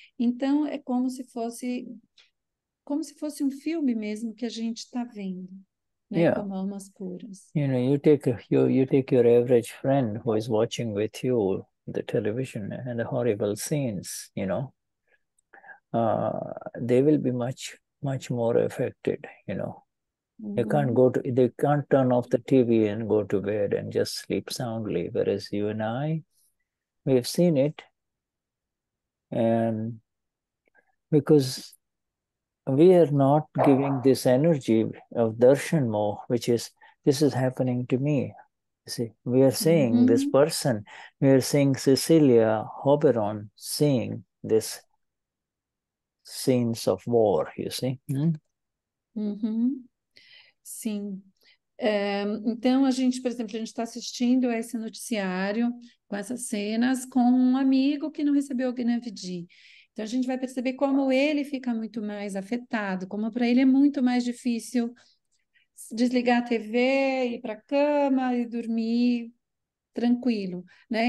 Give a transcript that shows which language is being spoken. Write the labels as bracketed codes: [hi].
[pt] Então, é como se fosse um filme mesmo que a gente está vendo. [en] Yeah. [pt] Almas [en] puras. You know, you take your average friend who is watching with you the television and the horrible scenes, you know, they will be much, much more affected, you know. Mm-hmm. They can't turn off the TV and go to bed and just sleep soundly. Whereas you and I, we've seen it. And because we are not giving this energy of darshan moh, which is, this is happening to me. You see, we are seeing mm-hmm. this person. We are seeing Cecilia Oberon seeing this scenes of war, you see. Mm-hmm. Mm-hmm. Sim. [pt] Então, a gente, por exemplo, a gente está assistindo esse noticiário com essas cenas com um amigo que não recebeu o Gnavidi. Então, a gente vai perceber como ele fica muito mais afetado, como para ele é muito mais difícil desligar a TV, ir para a cama e dormir tranquilo, né?